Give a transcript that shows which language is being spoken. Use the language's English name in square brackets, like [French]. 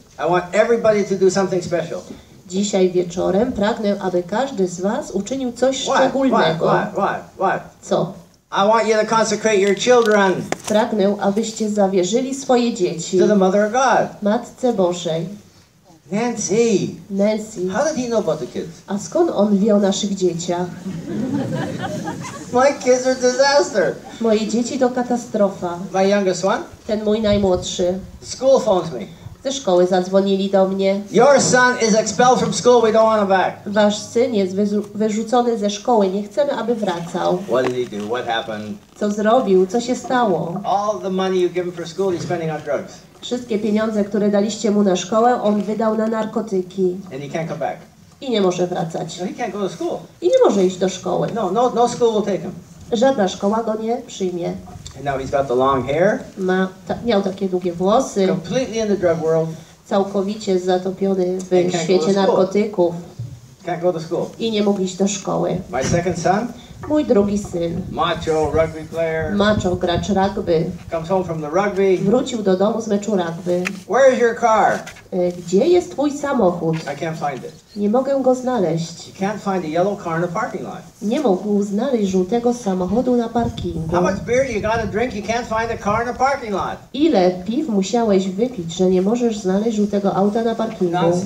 [English] I want everybody to do something special. [Polish] Dzisiaj wieczorem pragnę, aby każdy z was uczynił coś szczególnego. [English] What? [Polish] Co? [English] I want you to consecrate your children. [Polish] Pragnę, abyście zawierzyli swoje dzieci [English] to the Mother of God. [Polish] Matce Bożej. [English] Nancy. How did he know about the kids? [Polish] A skąd on wie o naszych dzieciach? [English] My kids are disaster. [Polish] Moje dzieci to katastrofa. [English] My youngest one? [Polish] Ten mój najmłodszy. [English] School phones me. [Polish] Ze szkoły zadzwonili do mnie. [English] Your son is expelled from school. We don't want him back. [Polish] Wasz syn jest wyrzucony ze szkoły. Nie chcemy, aby wracał. [English] What did he do? What happened? [Polish] Co zrobił? Co się stało? [English] All the money you give him for school, he's spending on drugs. [Polish] Wszystkie pieniądze, które daliście mu na szkołę, on wydał na narkotyki. [English] And he can't come back. [Polish] I nie może wracać. [English] No, he can't go to school. [Polish] I nie może iść do szkoły. [English] No, no, no school will take him. [Polish] Żadna szkoła go nie przyjmie. [English] And now he's got the long hair. [Polish] Ma, miał takie długie włosy. [English] Completely in the drug world. [Polish] Całkowicie zatopiony w świecie narkotyków. [English] Can't go to school. [Polish] I nie mógł iść do szkoły. [English] My second son. [Polish] Mój drugi syn. [English] Macho rugby player. [Polish] Macho gracz rugby. [English] Comes home from the rugby. [Polish] Wrócił do domu z meczu rugby. [English] Where is your car? [Polish] Gdzie jest twój samochód? [English] I can't find it. [Polish] Nie mogę go znaleźć. [English] You can't find a yellow car in the parking lot. [Polish] Nie mógł znaleźć żółtego samochodu na parkingu. [English] How much beer you gotta drink? You can't find a car in the parking lot. [Polish] Ile piw musiałeś wypić, że nie możesz znaleźć żółtego auta na parkingu?